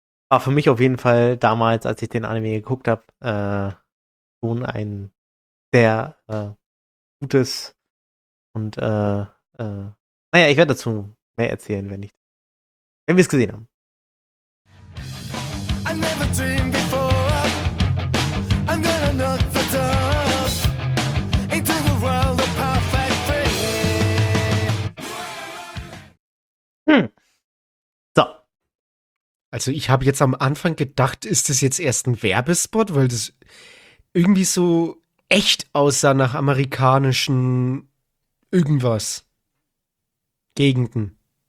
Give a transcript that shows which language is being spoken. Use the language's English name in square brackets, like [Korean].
[German] War für mich auf jeden Fall damals, als ich den Anime geguckt habe, schon ein sehr gutes und naja, ich werde dazu mehr erzählen, wenn wir es gesehen haben. [English] I never dreamed before. I'm gonna knock the door into the world of perfect dream. [German] Also ich habe jetzt am Anfang gedacht, ist das jetzt erst ein Werbespot, weil das irgendwie so echt aussah nach amerikanischen irgendwas Gegenden.